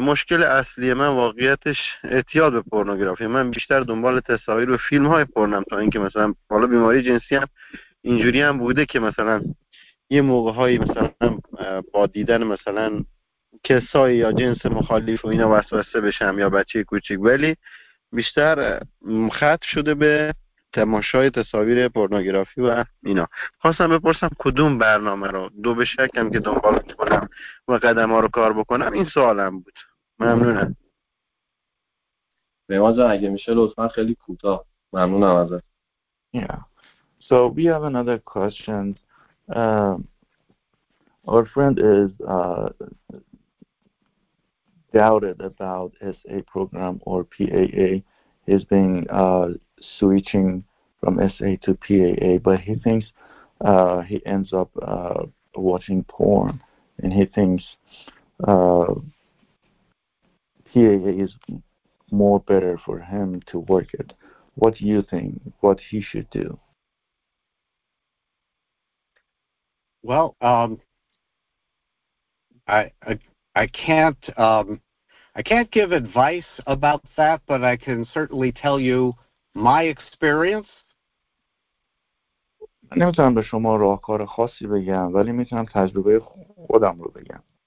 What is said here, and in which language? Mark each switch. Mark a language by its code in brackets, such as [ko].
[fa] مشکل اصلی من واقعیتش اعتیاد به پورنوگرافی، من بیشتر دنبال تصاویر و فیلم های پرنم تا اینکه مثلا حالا بیماری جنسی هم اینجوری هم بوده که مثلا یه موقع هایی مثلا با دیدن مثلا کسایی یا جنس مخالف و اینا وسوسه بشم یا بچه کوچیک، ولی بیشتر ختم شده به تماشای تصاویر پورنوگرافی و اینا. خواستم بپرسم کدوم برنامه رو دو به شکم که دنبال کنم و قدم ها رو کار بکنم، این سوالم بود. ممنونم. به ما جان اگه میشه لطفا خیلی کوتاه. ممنونم ازت. [en] Yeah. So we have another question. Our friend is doubted about SA program or PAA. He's been switching from SA to PAA, but he thinks he ends up watching porn, and he thinks PAA is more better for him to work it. What do you think, what he should do? Well, I can't give advice about that, but I can certainly tell you my experience. [fa] نمیتونم به شما راهکار خاصی بگم، ولی میتونم تجربه خودم رو بگم.